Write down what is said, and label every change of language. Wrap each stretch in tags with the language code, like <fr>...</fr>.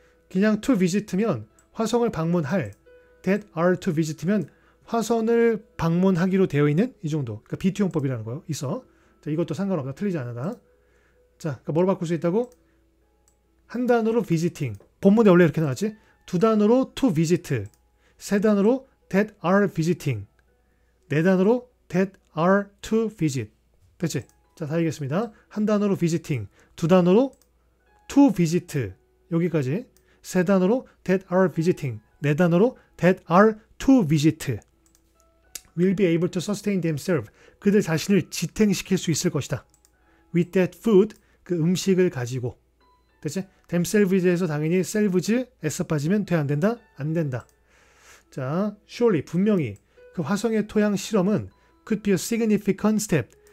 <ko>그냥</ko> <en>to visit</en> <ko>면 화성을 방문할.</ko> <en>That are to visit</en> <ko>면 화성을 방문하기로 되어 있는 이 정도. 그러니까 비투용법이라는 거 있어. 자, 이것도 상관없다. 틀리지 않아다. 자, 그러니까 뭘 바꿀 수 있다고? 한 단어로 visiting. 본문에 원래 이렇게 나왔지? 두 단어로</ko> <en>to visit.</en> <ko>세 단어로</ko> <en>that are visiting.</en> <ko>네 단어로</ko> <en>that are to visit.</en> <ko>그치? 자, 다 알겠습니다. 한 단어로 visiting. 두 단어로</ko> <en>to visit.</en> <ko>여기까지. 세 단어로</ko> <en>that are visiting.</en> <ko>네 단어로</ko> <en>that are to visit. Will be able to sustain themselves.</en> <ko>그들 자신을 지탱시킬 수 있을 것이다.</ko> <en>With that food,</en> <ko>그 음식을 가지고. 됐지? Themselves에서 당연히 selves, s 빠지면 돼, 안 된다? 안 된다. 자, surely, 분명히 그 화성의 토양 실험은</ko> <en>could be a significant step.</en>